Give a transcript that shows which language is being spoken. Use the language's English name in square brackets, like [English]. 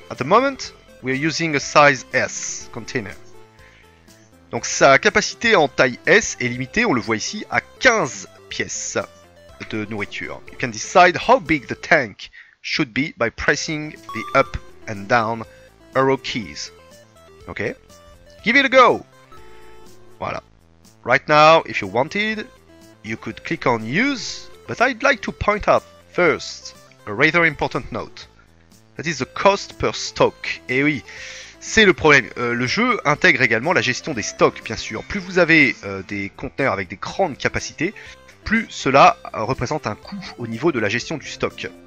[English] At the moment, we are using a size S container. [French] Donc sa capacité en taille S est limitée, on le voit ici, à 15 pièces de nourriture. [English] You can decide how big the tank should be by pressing the up and down arrow keys. Ok? Give it a go! Voilà. Right now, if you wanted, you could click on use, but I'd like to point out first a rather important note. That is the cost per stock. [French] Eh oui! C'est le problème. Le jeu intègre également la gestion des stocks, bien sûr. Plus vous avez des conteneurs avec des grandes capacités, plus cela représente un coût au niveau de la gestion du stock.